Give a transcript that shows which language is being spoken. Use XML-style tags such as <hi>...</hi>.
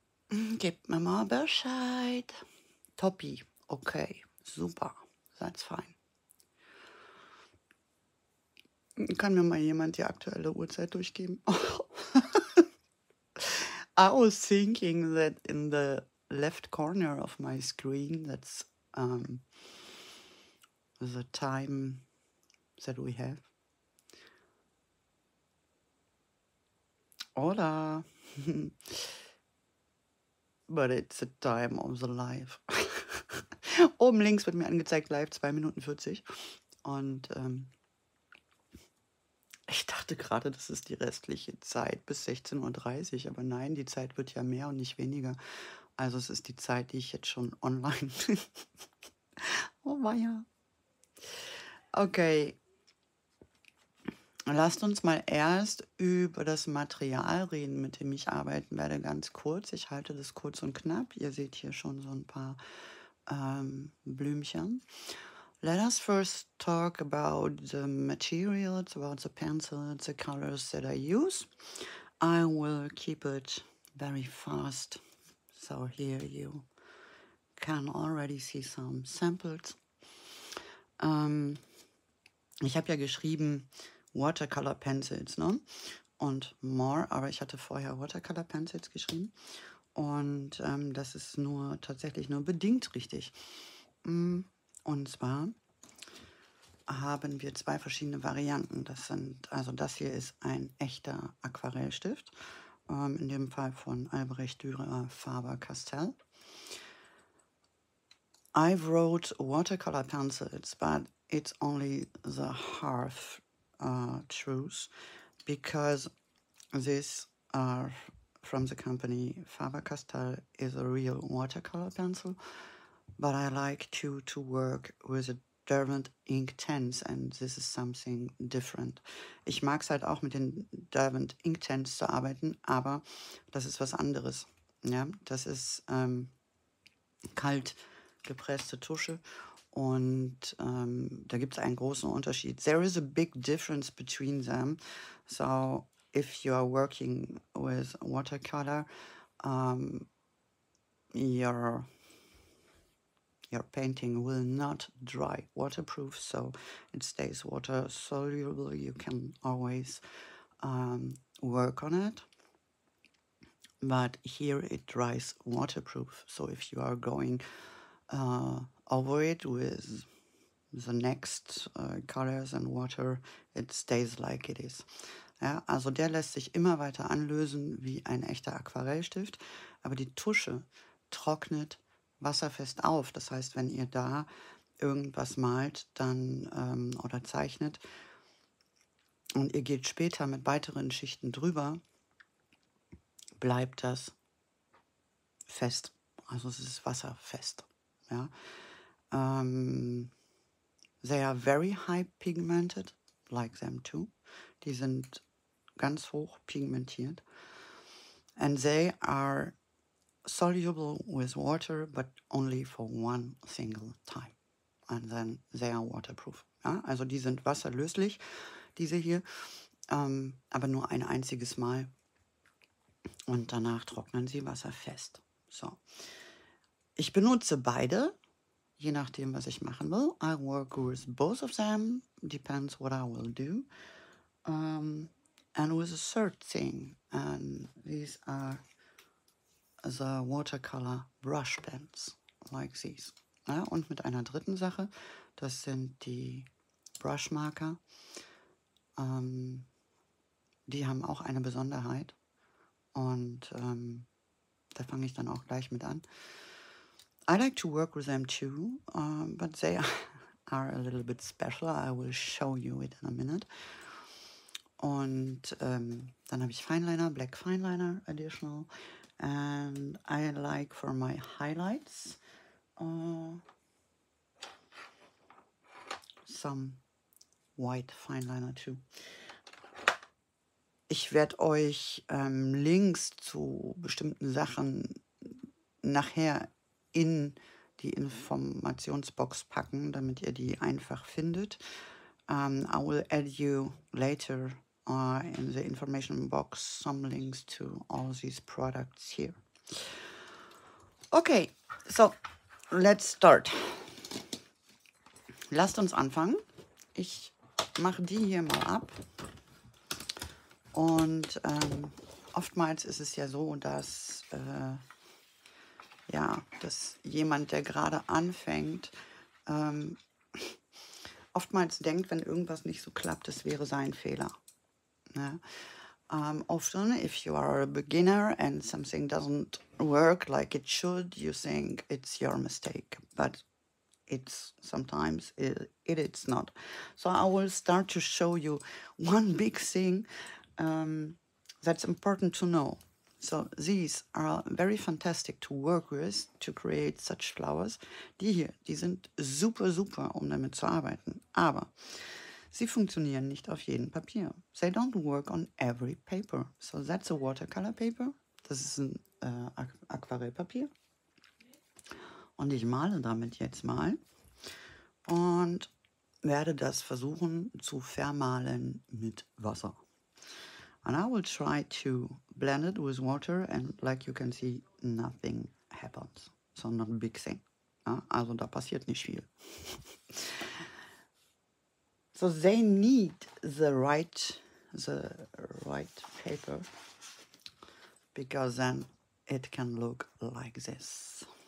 <de>Gebt mir mal Bescheid. Toppi. Okay, super, seid's fein. Kann mir mal jemand die aktuelle Uhrzeit durchgeben?</de> <en>I was thinking that in the left corner of my screen, that's the time that we have.</en> <es>Hola.</es> <en>But it's the time of the life.</en> <de>Oben links wird mir angezeigt, live 2 Minuten 40. Und ich dachte gerade, das ist die restliche Zeit bis 16:30 Uhr. Aber nein, die Zeit wird ja mehr und nicht weniger. Also es ist die Zeit, die ich jetzt schon online. Oh weia. Okay. Lasst uns mal erst über das Material reden, mit dem ich arbeiten werde. Ganz kurz. Ich halte das kurz und knapp. Ihr seht hier schon so ein paar Blümchen.</de> <en>Let us first talk about the materials, about the pencils, the colors that I use. I will keep it very fast, so here you can already see some samples.</en> <de>Ich habe ja geschrieben Watercolor Pencils, ne? Und more, aber ich hatte vorher Watercolor Pencils geschrieben. Und das ist nur tatsächlich nur bedingt richtig. Und zwar haben wir zwei verschiedene Varianten. Das sind, also das hier ist ein echter Aquarellstift, in dem Fall von Albrecht Dürer Faber-Castell.</de> <en>I've wrote watercolor pencils, but it's only the half truth, because this are from the company Faber-Castell is a real watercolor pencil, but I like to work with a Derwent Inktense, and this is something different.</en> <de>Ich mag es halt auch mit den Derwent Inktense zu arbeiten, aber das ist was anderes. Ja, das ist kalt gepresste Tusche und da gibt es einen großen Unterschied.</de> <en>There is a big difference between them, so if you are working with watercolor, your painting will not dry waterproof, so it stays water soluble. You can always work on it, but here it dries waterproof. So if you are going over it with the next colors and water, it stays like it is.</en> <de>Ja, also der lässt sich immer weiter anlösen wie ein echter Aquarellstift. aber die Tusche trocknet wasserfest auf. Das heißt, wenn ihr da irgendwas malt dann oder zeichnet und ihr geht später mit weiteren Schichten drüber, bleibt das fest. Also es ist wasserfest. Ja.</de> <en>They are very high pigmented, like them too.</en> <de>Die sind ganz hoch pigmentiert.</de> <en>And they are soluble with water, but only for one single time. And then they are waterproof.</en> <de>Ja, also die sind wasserlöslich, diese hier, aber nur ein einziges Mal. Und danach trocknen sie wasserfest. So. Ich benutze beide, je nachdem, was ich machen will.</de> <en>I work with both of them, depends what I will do. And with a third thing, and these are the watercolor brush pens, like these.</en> <de>Ja, und mit einer dritten Sache, das sind die Brushmarker. Die haben auch eine Besonderheit. Und da fange ich dann auch gleich mit an.</de> <en>I like to work with them too, but they are a little bit special. I will show you it in a minute.</en> <de>Und dann habe ich Fineliner, Black Fineliner Additional.</de> <en>And I like for my highlights some white Fineliner too.</en> <de>Ich werde euch Links zu bestimmten Sachen nachher in die Informationsbox packen, damit ihr die einfach findet.</de> <en>I will add you later in the information box some links to all these products here. Okay, so let's start.</en> <de>Lasst uns anfangen. Ich mache die hier mal ab. Und oftmals ist es ja so, dass ja, dass jemand, der gerade anfängt, oftmals denkt, wenn irgendwas nicht so klappt, das wäre sein Fehler. Ne?</de> <en>Often, if you are a beginner and something doesn't work like it should, you think it's your mistake. But it's sometimes it's not. So I will start to show you one big thing that's important to know. So these are very fantastic to work with to create such flowers.</en> <de>Die hier, die sind super, super, um damit zu arbeiten. Aber sie funktionieren nicht auf jedem Papier.</de> <en>They don't work on every paper. So that's a watercolor paper.</en> <de>Das ist ein Aquarellpapier. Und ich male damit jetzt mal und werde das versuchen zu vermalen mit Wasser.</de> <en>And I will try to blend it with water and like you can see, nothing happens. So not a big thing. Ja?</en> <de>Also da passiert nicht viel.</de> <en>So they need the right paper because then it can look like this.</en>